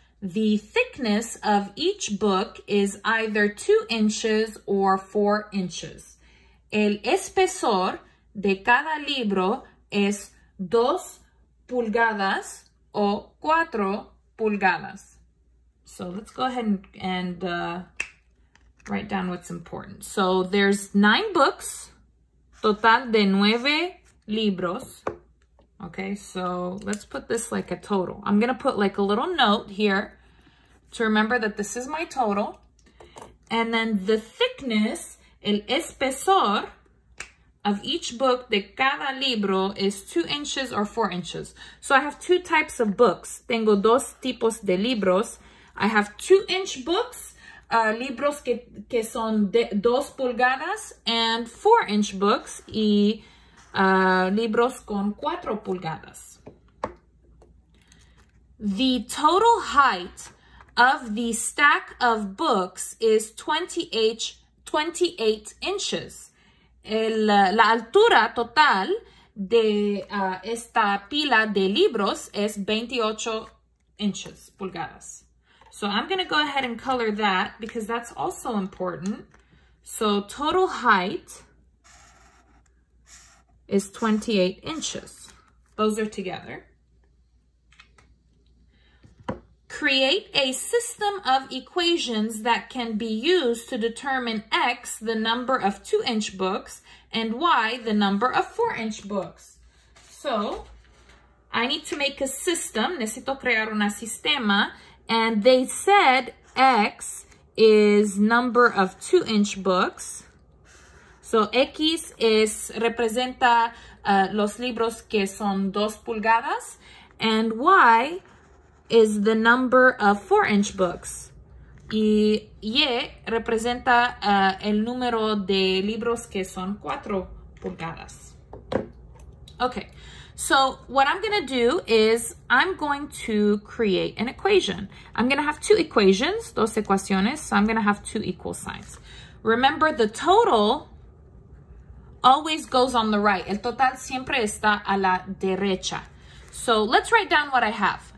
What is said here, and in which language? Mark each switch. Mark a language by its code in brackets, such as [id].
[en] The thickness of each book is either 2 inches or 4 inches. [es] El espesor de cada libro es 2 pulgadas o 4 pulgadas. [en] So let's go ahead and write down what's important. So there's 9 books, [es] total de 9 libros. [en] Okay, so let's put this like a total. I'm gonna put like a little note here to remember that this is my total. And then the thickness, [es] el espesor [en] of each book, [es] de cada libro, [en] is 2 inches or 4 inches. So I have 2 types of books. [es] Tengo 2 tipos de libros. [en] I have 2-inch books, [es] libros que son de 2 pulgadas, [en] and 4-inch books, [es] y libros con 4 pulgadas. [en] The total height of the stack of books is 28 inches. [es] La altura total de esta pila de libros es 28 inches, pulgadas. [en] So I'm going to go ahead and color that because that's also important. So total height is 28 inches. Those are together. Create a system of equations that can be used to determine x, the number of 2-inch books, and y, the number of 4-inch books. So I need to make a system. [es] Necesito crear una sistema. [en] And they said x is number of 2-inch books. So X is [es] representa los libros que son 2 pulgadas, [en] and Y is the number of 4-inch books. [es] Y representa el número de libros que son 4 pulgadas. [en] Okay, so what I'm gonna do is I'm going to create an equation. I'm gonna have 2 equations, 2 equaciones, so I'm gonna have 2 equal signs. Remember the total always goes on the right. [es] El total siempre está a la derecha. [en] So let's write down what I have.